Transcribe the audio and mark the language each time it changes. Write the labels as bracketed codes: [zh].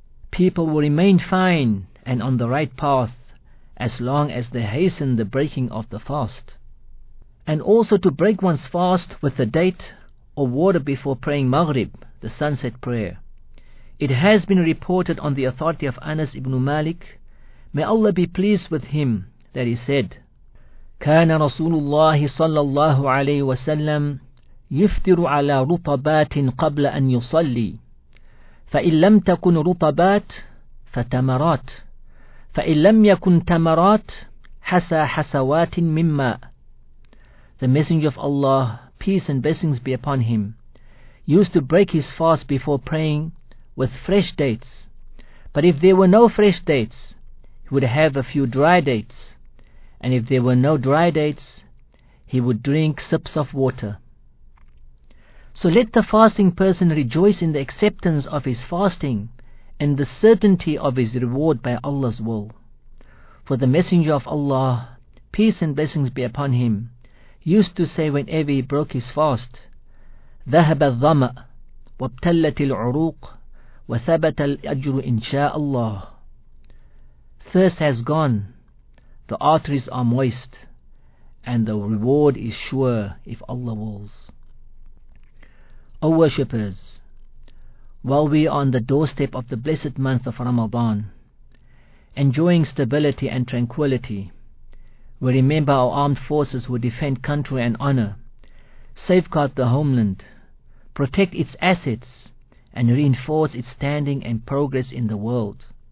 [en] People will remain fine and on the right path as long as they hasten the breaking of the fast. And also to break one's fast with the date or water before praying Maghrib, the sunset prayer. It has been reported on the authority of Anas ibn Malik, may Allah be pleased with him, that he said, [ar] كان رسول الله صلى الله عليه وسلم يفطر على رطبات قبل أن يصلي فإن لم تكن رطبات فتمرات فإن لم يكن تمرات حسى حسوات مما. [en] The Messenger of Allah, peace and blessings be upon him, used to break his fast before praying with fresh dates. But if there were no fresh dates, he would have a few dry dates. And if there were no dry dates, he would drink sips of water. So let the fasting person rejoice in the acceptance of his fasting and the certainty of his reward by Allah's will. For the Messenger of Allah, peace and blessings be upon him, used to say whenever he broke his fast, [ar] ذهب الظمأ وابتلت العروق وثبت الأجر إن شاء الله. [en] Thirst has gone, the arteries are moist, and the reward is sure if Allah wills. O worshippers, while we are on the doorstep of the blessed month of Ramadan, enjoying stability and tranquility, we remember our armed forces who defend country and honor, safeguard the homeland, protect its assets, and reinforce its standing and progress in the world.